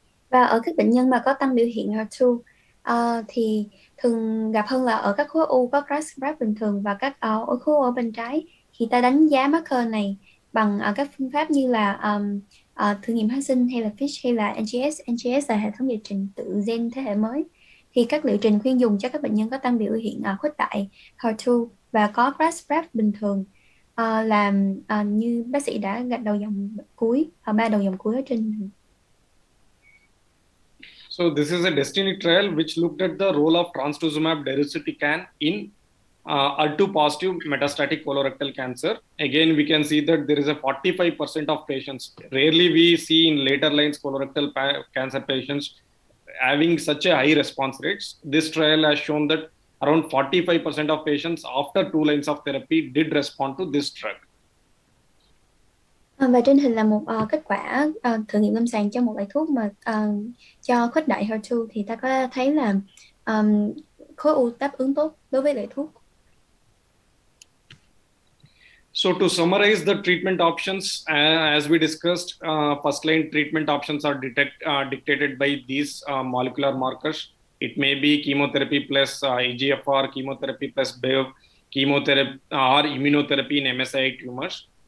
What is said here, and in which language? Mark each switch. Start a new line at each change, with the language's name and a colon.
Vietnamese: Và ở các bệnh nhân mà có tăng biểu hiện HER2 thì thường gặp hơn là ở các khối u có CRAS, BRAF bình thường và các ở khối u ở bên trái thì ta đánh giá marker này bằng các phương pháp như là thử nghiệm hóa sinh hay là FISH hay là NGS là hệ thống điều trình tự gen thế hệ mới thì các liệu trình khuyên dùng cho các bệnh nhân có tăng biểu hiện khuếch đại HER2 và có CRAS, BRAF bình thường làm như bác sĩ đã gạch đầu dòng cuối ba đầu dòng cuối ở trên.
English: So this is a DESTINY trial which looked at the role of trastuzumab deruxtecan in HER2-positive metastatic colorectal cancer. Again, we can see that there is a 45% of patients. Rarely we see in later lines colorectal cancer patients having such a high response rates. This trial has shown that around 45% of patients after 2 lines of therapy did respond to this drug.
Vietnamese: Và trên hình là một kết quả thử nghiệm lâm sàng cho một loại thuốc mà cho khuếch đại HER2, thì ta có thấy là khối u đáp ứng tốt đối với loại thuốc.
English: So to summarize the treatment options, as we discussed, first line treatment options are dictated by these molecular markers. It may be chemotherapy plus EGFR, chemotherapy plus Bev, chemotherapy or immunotherapy in MSI tumors.